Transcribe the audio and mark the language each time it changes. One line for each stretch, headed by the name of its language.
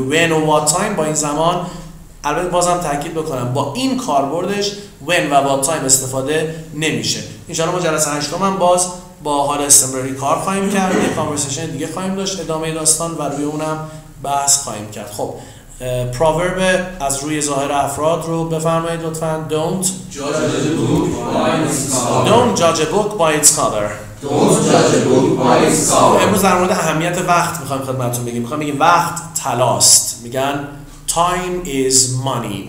Persian: When و what time با این زمان، البته بازم تاکید بکنم، با این کاربردش when و what time استفاده نمیشه. انشالله ما جلسه هشتم هم باز با حال استمراری کار خواهیم کرد، یک کانورسیشن دیگه خواهیم داشت ادامه داستان و روی اونم بحث خواهیم کرد. خب پروورب از روی ظاهر افراد رو بفرمایید لطفا.
English: Don't judge a book by its cover. Don't judge a book by its cover. Don't judge a book by its cover.
Persian: امروز در مورد اهمیت وقت میخوایم خدمتتون بگیم. میخوایم بگیم وقت طلاست. میگن
English: time is money.